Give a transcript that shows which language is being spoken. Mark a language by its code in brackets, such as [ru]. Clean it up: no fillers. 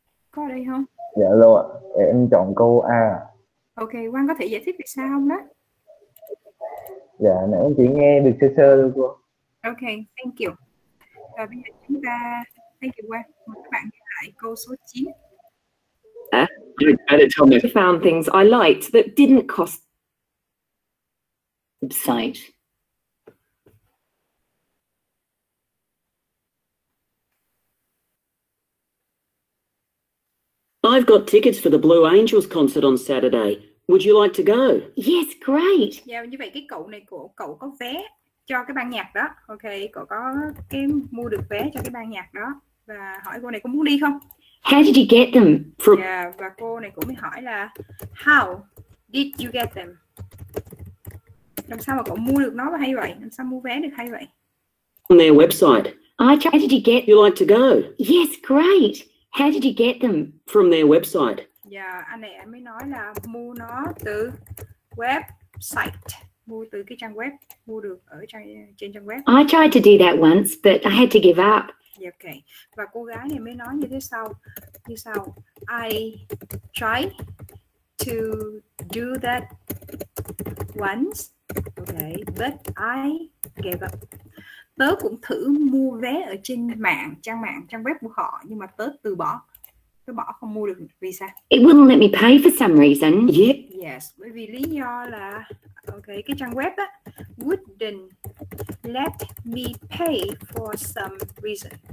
[vi] Có ở đây không? Dạ alo ạ, em chọn câu A. Ok, Quang có thể giải thích vì sao không đó? Dạ nãy em chỉ nghe được sơ sơ thôi cô. [en] Ok, thank you. [vi] Và bây giờ chúng ta [en] thank you [vi] Quang. Mời các bạn nghe lại câu số 9. [en] You tell me. I found things I liked that didn't cost website. I've got tickets for the Blue Angels concert on Saturday. Would you like to go? Yes, great. [vi] Yeah, như vậy cái cậu này cậu có vé cho cái ban nhạc đó. Ok, cậu có cái mua được vé cho cái ban nhạc đó và hỏi cô này có muốn đi không? [en] How did you get them? [vi] Yeah, và cô này cũng mới hỏi là [en] how did you get them? [vi] Làm sao mà cậu mua được nó hay vậy? Làm sao mua vé được hay vậy? [en] On their website. How did you get? You like to go? Yes, great. How did you get them? From their website. [vi] Yeah, anh này mới nói là mua nó từ website. Mua từ cái trang web, mua được ở trên trang web. [en] I tried to do that once, but I had to give up. Yeah, okay. [vi] Và cô gái này mới nói như thế sau. Như sau. [en] I tried to do that once. Okay. But I gave up. [vi] Tớ cũng thử mua vé ở trên mạng, trang mạng, trang web của họ, nhưng mà tớ từ bỏ. Tớ bỏ không mua được visa. [en] It wouldn't let me pay for some reason. [vi] Yes, bởi vì lý do là ok, cái trang web á [en] wouldn't let me pay for some reason.